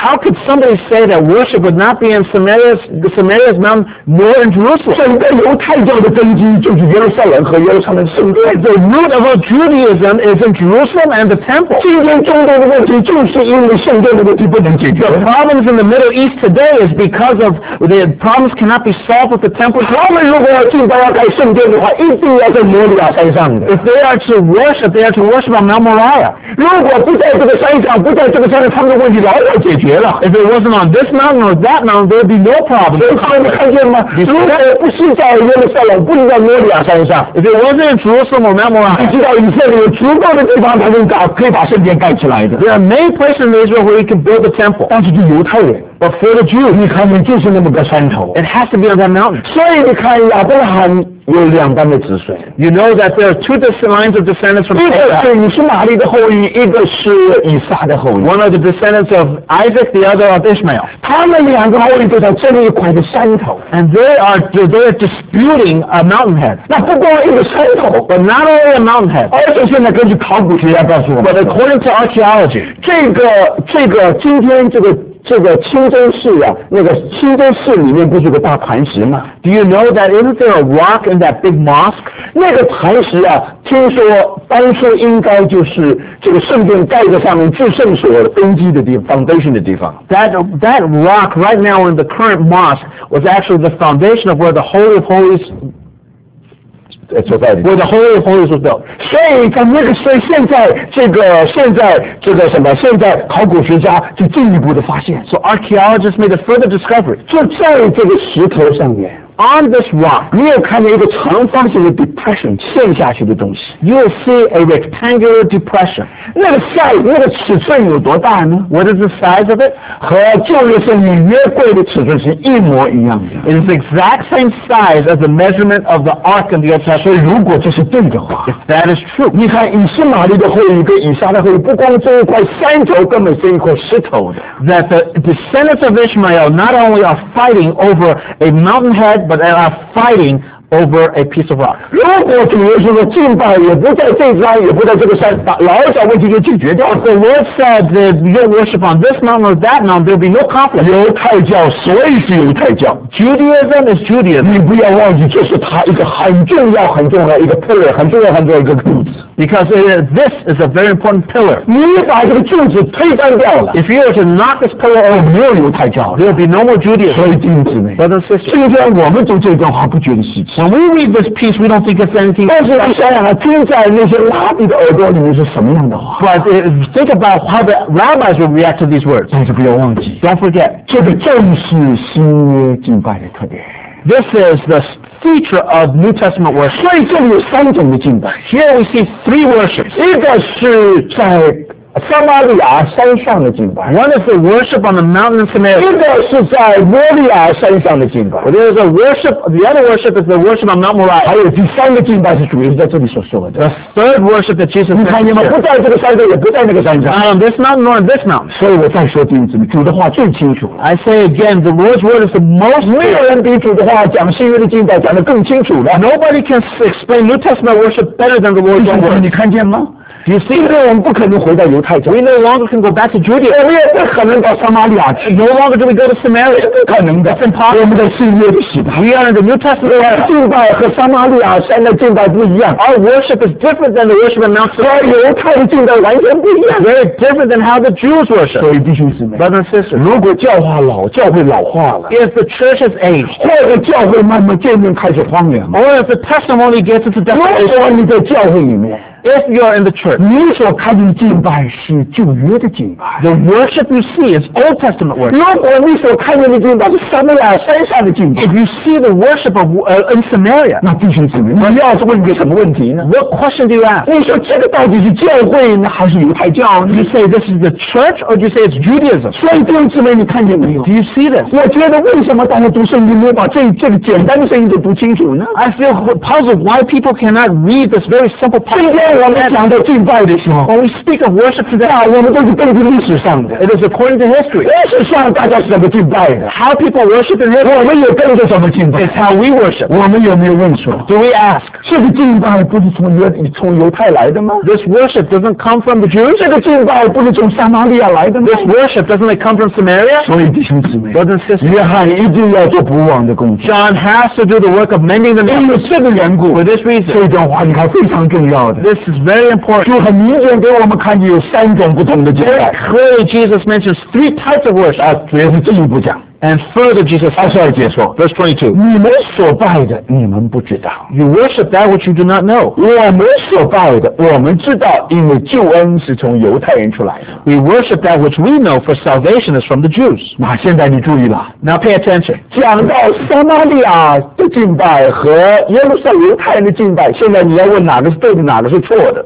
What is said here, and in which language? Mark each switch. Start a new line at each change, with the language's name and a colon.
English: ？How could somebody say that worship would not be in Samaria's mountain nor in Jerusalem？
Chinese: 整个犹太教的根基就是耶路撒冷和耶路撒冷圣殿。
English: The root of all Judaism is in Jerusalem and the temple.
Chinese: 今天中东的问题就是因为圣殿的问题不能解决。
English: The problems in the Middle East today is because of the problems cannot be solved with the temple.
Chinese: 他们如果要敬拜要开圣殿的话，一定要在摩利亚山上的。
English: If they are to worship, they are to worship on Mount Moriah.
Chinese: 如果不在这个山上，不在这个山上，他们的问题早就解决了。
English: If it wasn't on this mountain or that mountain, there would be no problem.
Chinese: 所以他们看见吗？如果不是在耶路撒冷，不是在摩利亚山上。
English: If it wasn't in Jerusalem or Mount Moriah,
Chinese: 你知道以色列有足够的地方才能盖，可以把圣殿盖起来的。
English: There are many places in Israel where you can build the temple.
Chinese: 但是就犹太人。
English: But for the Jews,
Chinese: 你看看就是那么个山头。
English: It has to be on that mountain.
Chinese: 所以你看亚伯拉罕有两代的子孙。
English: You know that there are two lines of descendants from Abraham.
Chinese: 一个是以撒的后裔，一个是以撒的后裔。
English: One of the descendants of Isaac, the other of Ishmael.
Chinese: 他们两个后裔都在这里一块的山头。
English: And they are disputing a mountain head.
Chinese: 那不光一个山头。
English: But not only a mountain head.
Chinese: 而且现在根据考古学家告诉我们。
English: But according to archaeology,
Chinese: 这个今天这个。这个清真寺啊，那个清真寺里面不是个大磐石吗
English: ？Do you know that isn't there a rock in that big mosque？
Chinese: 那个磐石啊，听说当初应该就是这个圣殿盖在上面至圣所的根基的地方 ，foundation 的地方。
English: That rock right now in the current mosque was actually the foundation of where the Holy of Holies。 Where the Holy of Holies was built.
Chinese: 所以在那个时候，现在这个什么？现在考古学家就进一步的发现。
English: So archaeologists made a further discovery.
Chinese: 就在这个石头上面。
English: On this rock,
Chinese: 你有看见一个长方形的 depression 陷下去的东西。
English: You will see a rectangular depression.
Chinese: 那个 size 那个尺寸有多大呢
English: ？What is the size of it?
Chinese: 和旧约圣经约柜的尺寸是一模一样的。
English: It is the exact same size as the measurement of the ark in the Old Testament.
Chinese: 所以如果这是对的话
English: ，If that is true,
Chinese: 你看以斯玛利的后裔跟以撒的后裔，不光这一块山头，根本是一块石头的。
English: That the descendants of Ishmael not only are fighting over a mountain head. But they are fighting over a piece of rock.
Chinese: 如果主耶稣的敬拜也不在这山，也不在这个山，把老早问题就解决掉了。
English: The Lord said that you worship on this mountain or that mountain, there will be no conflict.
Chinese: 犹太教，所以是犹太教。
English: Judaism is Judaism.
Chinese: 你不要忘记，这是他一个很重要、很重要一个 pillar， 很重要、很重要一个柱子。
English: Because this is a very important pillar.
Chinese: 你把这个柱子推翻掉了。
English: If you were to knock this pillar over,
Chinese: 没有犹太教，
English: there will be no more Judaism.
Chinese: 所以弟兄姊妹，
English: brothers and sisters，
Chinese: 今天我们读这段话不觉得稀奇。
English: When we read this piece, we don't think it's anything.
Chinese: 但是你想想啊，听在那些拉比的耳朵里面是什么样的话
English: ？But think about how the rabbis would react to these words.
Chinese: 但是不要忘记
English: ，Don't forget，
Chinese: 这个正是新约敬拜的特点。
English: This is the feature of New Testament worship.
Chinese: 所以这里有三种的敬拜。
English: Here we see three worships.
Chinese: 一个是在撒玛利亚山上的敬拜
English: ，One is the worship on the mountain in Samaria.
Chinese: 一个是在摩利亚山上的敬拜
English: ，But there is a worship. The other worship is the worship on Mount Moriah.
Chinese: 还有第三个敬拜是主耶稣在这里所说的。
English: The third worship that Jesus.
Chinese: 你看见吗？不在这个山上，也不在那个山上。
English: Not on this mountain, nor on this mountain.
Chinese: 所以我再说第一次，主的话最清楚了。
English: I say again, the Lord's word is the most.
Chinese: 没有人比主的话讲新约的敬拜讲得更清楚了。
English: Nobody can explain New Testament worship better than the Lord's word.
Chinese: 你看见吗？
English: You see,
Chinese: 因为我们不可能回到犹太教。
English: We no longer can go back to Judea.
Chinese: 我们也不可能到撒玛利亚去。
English: No longer do we go to Samaria.
Chinese: 不可能的。
English: It's impossible.
Chinese: 我们在新约里洗吧。
English: We are in the New Testament.
Chinese: 我们敬拜和撒玛利亚山的敬拜不一样。
English: Our worship is different than the worship of Mount Sinai.
Chinese: 和犹太的敬拜完全不一样。
English: Very different than how the Jews worship.
Chinese: 所以弟兄姊妹
English: ，Brothers and sisters，
Chinese: 如果教化老，教会老化了
English: ，If the church has aged，
Chinese: 或者教会慢慢渐渐开始荒凉
English: ，Or if the testimony gets into desolation，
Chinese: 如果你在教会里面。
English: If you are in the church,
Chinese: 你所看见敬拜是旧约的敬拜。
English: The worship you see is Old Testament worship.
Chinese: 如果你所看见的敬拜是撒玛利亚山下的敬拜。
English: If you see the worship of in Samaria,
Chinese: 那弟兄姊妹，你要是问个什么问题呢
English: ？What question do you ask?
Chinese: 你说这个到底是教会呢，还是犹太教呢
English: ？You say this is the church, or do you say it's Judaism?
Chinese: 所以弟兄姊妹，你看见没有
English: ？Do you see this?
Chinese: 我觉得为什么大家读圣经没有把这个简单的圣经都读清楚呢
English: ？I feel puzzled why people cannot read this very simple part.
Chinese: 我们讲到敬拜的时候
English: ，When we speak of worship today，
Chinese: 啊，我们都是根据历史上的
English: ，It is according to history。
Chinese: 历史上大家是怎么敬拜的
English: ？How people worship in history？
Chinese: 我们也跟着怎么敬拜
English: ？It's how we worship。
Chinese: 我们有没有问说
English: ？Do we ask？
Chinese: 这个敬拜不是从犹太来的吗
English: ？This worship doesn't come from the Jews。
Chinese: 这个敬拜不是从撒玛利亚来的吗
English: ？This worship doesn't it come from Samaria？
Chinese: 所以弟兄姊妹
English: ，Brothers and sisters，
Chinese: 约翰一定要做不忘的工作。
English: John has to do the work of mending the nets。
Chinese: 因为这个缘故
English: ，For this reason，
Chinese: 这段话你看非常重要的。
English: This is very important.
Chinese: 就很明显给我们看见有三种不同的敬拜。
English: Clearly, Jesus mentions three types of worship.
Chinese: 啊，主要是进一步讲。
English: And further, Jesus.
Chinese: 22节说
English: ，Verse 22.
Chinese: 你们所拜的，你们不知道。
English: You worship that which you do not know.
Chinese: 我们所拜的，我们知道，因为救恩是从犹太人出来的。
English: We worship that which we know, for salvation is from the Jews.
Chinese: 那现在你注意了。
English: Now pay attention.
Chinese: 讲到撒玛利亚的敬拜和耶路撒冷犹太人的敬拜，现在你要问哪个是对的，哪个是错的。